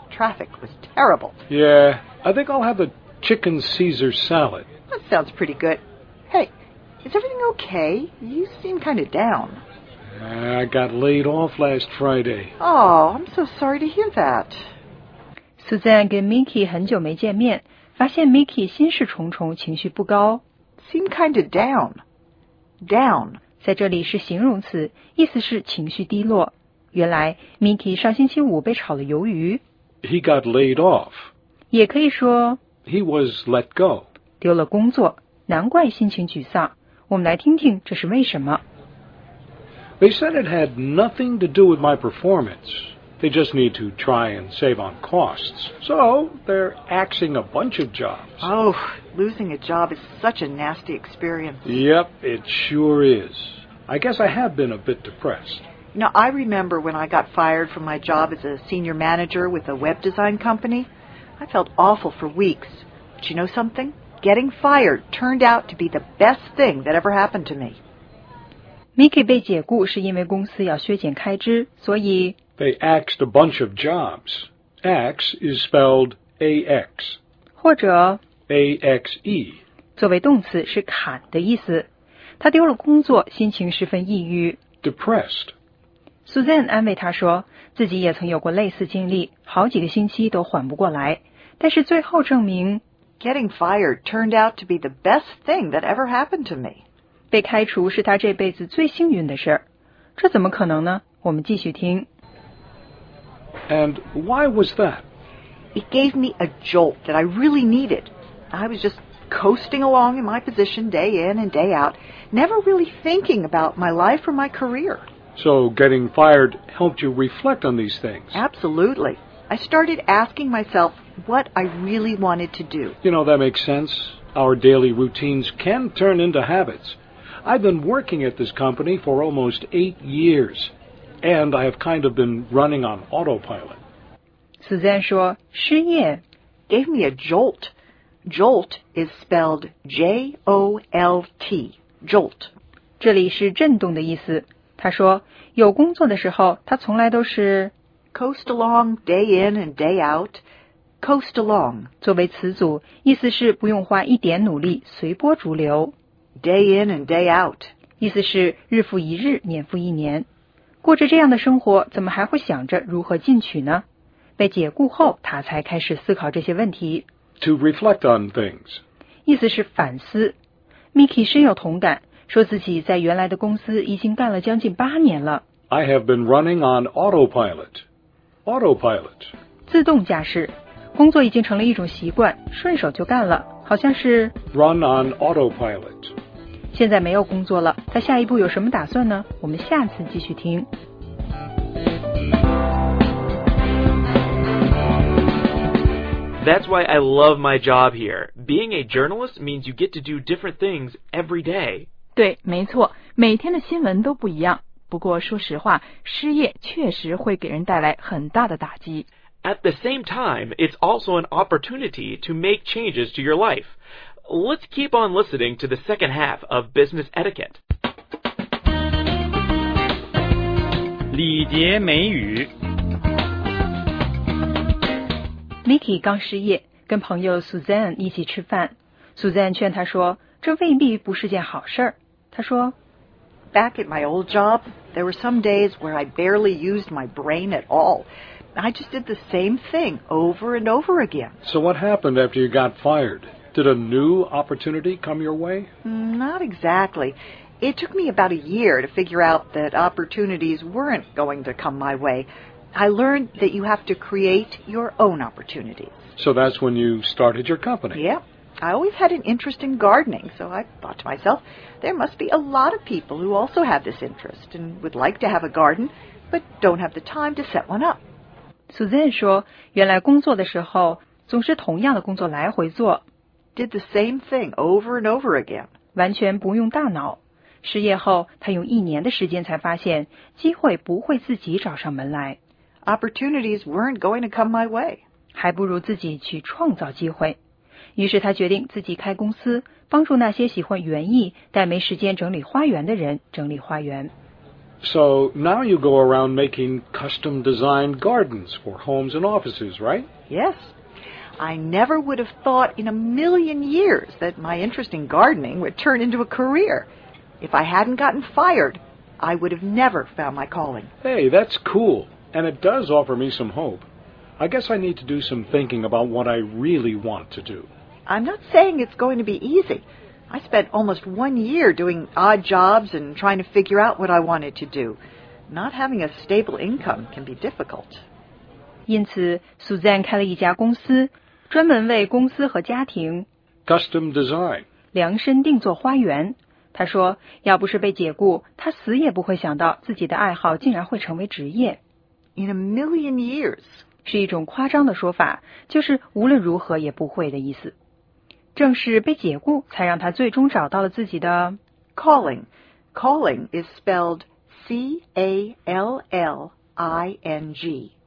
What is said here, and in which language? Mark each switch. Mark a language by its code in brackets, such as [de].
[en] Traffic was terrible. Yeah, I think I'll have a chicken Caesar salad. That sounds pretty good. Hey, is everything okay? You seem kind of down. I got laid off last Friday. Oh, I'm so sorry to hear that. [zh] Suzanne 跟 Mickey 很久没见面，发现 Mickey 心事重重，情绪不高。 [en] Seem kind of down. Down. [zh] 在这里是形容词，意思是情绪低落。原来 Mickey 上星期五被炒了鱿鱼。 [en] He got laid off. [zh] 也可以说 [en] He was let go. [zh] 丢了工作，难怪心情沮丧。我们来听听这是为什么。 [en] They said it had nothing to do with my performance. They just need to try and save on costs. So they're axing a bunch of jobs. Oh, losing a job is such a nasty experience. Yep, it sure is. I guess I have been a bit depressed. You know, I remember when I got fired from my job as a senior manager with a web design company. I felt awful for weeks. But you know something? Getting fired turned out to be the best thing that ever happened to me. [zh] Mickey 被解雇是因为公司要削减开支，所以 [en] They axed a bunch of jobs. Axe is spelled A-X. [zh] 或者 [en] AXE [zh] 作为动词是砍的意思。他丢了工作，心情十分抑郁 [en] Depressed。 [zh] Suzanne 安慰他说，自己也曾有过类似经历，好几个星期都缓不过来，但是最后证明 [en] Getting fired turned out to be the best thing that ever happened to me。 [zh] 被开除是他这辈子最幸运的事儿。这怎么可能呢？我们继续听。 [en] And why was that? It gave me a jolt that I really needed. I was just coasting along in my position day in and day out, never really thinking about my life or my career. So getting fired helped you reflect on these things? Absolutely. I started asking myself what I really wanted to do. You know, that makes sense. Our daily routines can turn into habits. I've been working at this company for almost 8 years. And I have kind of been running on autopilot. [zh] Suzanne 说失业 [en] gave me a jolt. Jolt is spelled J-O-L-T. Jolt. [zh] 这里是震动的意思。他说有工作的时候他从来都是 [en] coast along day in and day out. Coast along. [zh] 作为词组意思是不用花一点努力随波逐流。 [en] Day in and day out. [zh] 意思是日复一日年复一年。过着这样的生活怎么还会想着如何进取呢？被解雇后他才开始思考这些问题。 [en] To reflect on things. [zh] 意思是反思。 Miki 深有同感，说自己在原来的公司已经干了将近8年了。 [en] I have been running on autopilot. Autopilot. [zh] 自动驾驶。工作已经成了一种习惯，顺手就干了，好像是 [en] Run on autopilot. [zh] 现在没有工作了，他下一步有什么打算呢？我们下次继续听。 [en] That's why I love my job here. Being a journalist means you get to do different things every day. [zh] 对，没错，每天的新闻都不一样。不过说实话，失业确实会给人带来很大的打击。 [en] At the same time, it's also an opportunity to make changes to your life. Let's keep on listening to the second half of Business Etiquette. [zh] 礼节美语。 Miki 刚失业，跟朋友 Suzanne 一起吃饭。 Suzanne 劝他说，这未必不是件好事儿。他说 [en] ，Back at my old job, there were some days where I barely used my brain at all. I just did the same thing over and over again. So what happened after you got fired? Did a new opportunity come your way? Not exactly. It took me about a year to figure out that opportunities weren't going to come my way. I learned that you have to create your own opportunities. So that's when you started your company? Yeah. I always had an interest in gardening, so I thought to myself, there must be a lot of people who also have this interest and would like to have a garden, but don't have the time to set one up. [zh] Suzanne 说，原来工作的时候总是同样的工作来回做。 [en] Did the same thing over and over again. [zh] 完全不用大脑。失业后，他用一年的时间才发现，机会不会自己找上门来。 [en] Opportunities weren't going to come my way. [zh] 还不如自己去创造机会。于是他决定自己开公司，帮助那些喜欢园艺但没时间整理花园的人整理花园。 [en] So now you go around making custom designed gardens for homes and offices, right? Yes. I never would have thought in a million years that my interest in gardening would turn into a career. If I hadn't gotten fired, I would have never found my calling. Hey, that's cool. And it does offer me some hope. I guess I need to do some thinking about what I really want to do. I'm not saying it's going to be easy. I spent almost 1 year doing odd jobs and trying to figure out what I wanted to do. Not having a stable income can be difficult. [zh] 因此 ，Suzanne 开了一家公司，专门为公司和家庭 [en] custom design [zh] 量身定做花园。他说，要不是被解雇，他死也不会想到自己的爱好竟然会成为职业。 In a million years 是一种夸张的说法，就是无论如何也不会的意思。正是被解雇，才让他最终找到了自己的 [en] calling。 Calling is spelled C-A-L-L-I-N-G.